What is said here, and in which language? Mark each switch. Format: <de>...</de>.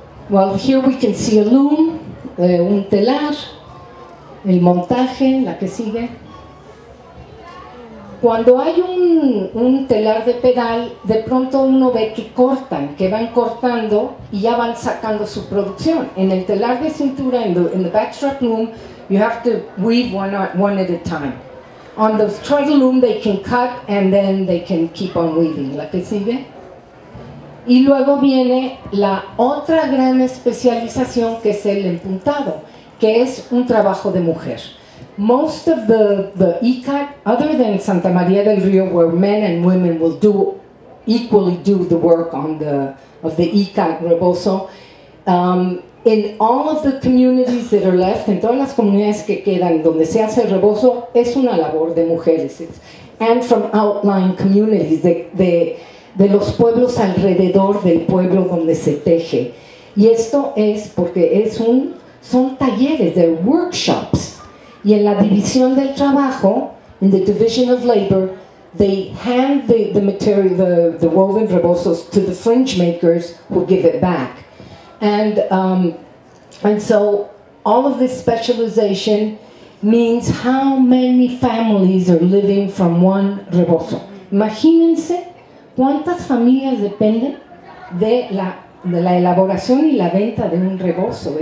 <en>Well, here we can see a loom,</en> <es>un telar, el montaje, la que sigue. Cuando hay un telar de pedal, de pronto uno ve que cortan, que van cortando y ya van sacando su producción. En el telar de cintura,</es> <en>in the backstrap loom, you have to weave one at a time. On the straddle loom, they can cut and then they can keep on weaving.</en> <es>¿La que sigue? Y luego viene la otra gran especialización, que es el empuntado, que es un trabajo de mujer.</es> <en>Most of the ICAT, other than Santa María del Río, where men and women will do equally do the work on the ICAT rebozo, in all of the communities that are left,</en> <es>en todas las comunidades que quedan donde se hace el rebozo, es una labor de mujeres.</es> <en>And from outlying communities,</en> <es>de los pueblos alrededor del pueblo donde se teje. Y esto es porque son talleres,</es> <en>they're workshops.</en> <es>Y en la división del trabajo,</es> <en>in the division of labor, they hand the material, the woven rebozos, to the fringe makers who give it back. And so all of this specialization means how many families are living from one rebozo.</en> <es>Imagínense cuántas familias dependen de la elaboración y la venta de un rebozo.</es>